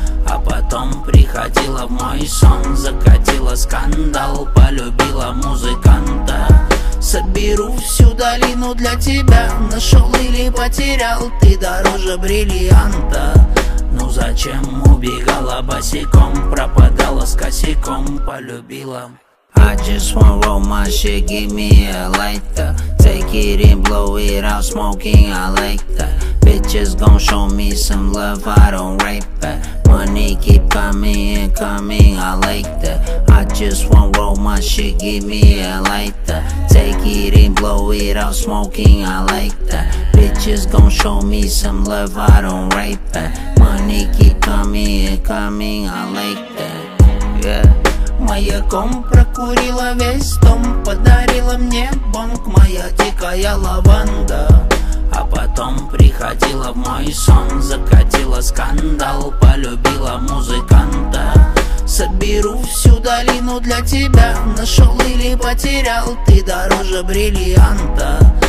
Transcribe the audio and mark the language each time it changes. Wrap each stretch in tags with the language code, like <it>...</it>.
<ru>А потом приходила в мой сон, закатила скандал, полюбила музыканта. Соберу всю долину для тебя, нашел или потерял, ты дороже бриллианта. Ну зачем убегала босиком, пропадала с косяком, полюбила.</ru> <en>I just want roll my shit, give me a lighter. Take it in, blow it out, smoking, I like that. Bitches gon' show me some love, I don't rape it. Money keep coming and coming, I like that. I just want roll my shit, give me a lighter. Take it in, blow it out, smoking, I like that. Bitches gon' show me some love, I don't rape it. Money keep coming and coming, I like that.</en> <ru>Маяком прокурила весь дом, подарила мне бонг моя дикая лаванда. А потом приходила в мой сон, закатила скандал, полюбила музыканта. Соберу всю долину для тебя, нашел или потерял, ты дороже бриллианта.</ru>